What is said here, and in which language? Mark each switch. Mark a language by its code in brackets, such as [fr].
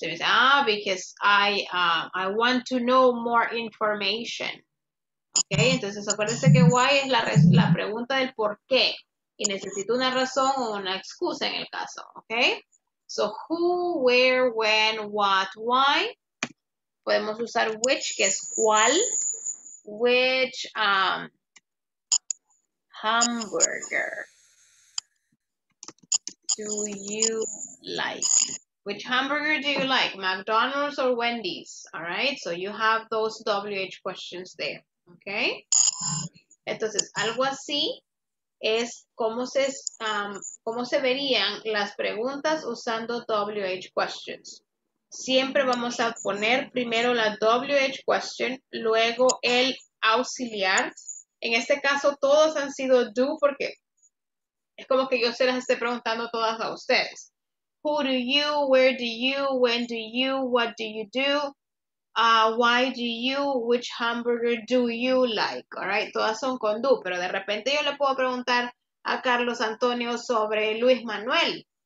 [en] There's, ah, because I want to know more information. [es] Ok, entonces acuérdense que why es la pregunta del por qué. Y necesito una razón o una excusa en el caso, ok. [en] So, who, where, when, what, why. [es] Podemos usar which, que es cuál. Which hamburger do you like? [en] Which hamburger do you like? McDonald's or Wendy's? All right. So you have those WH questions there. Okay. [es] Entonces, algo así es cómo se verían las preguntas usando WH questions. Siempre vamos a poner primero la WH question, luego el auxiliar. En este caso, todos han sido do porque... Es como que yo se las esté preguntando todas a ustedes. [en] Who do you, where do you, when do you, what do you do, why do you, which hamburger do you like, all right? [es] Todas son con do, pero de repente yo le puedo preguntar a Carlos Antonio sobre Luis Manuel.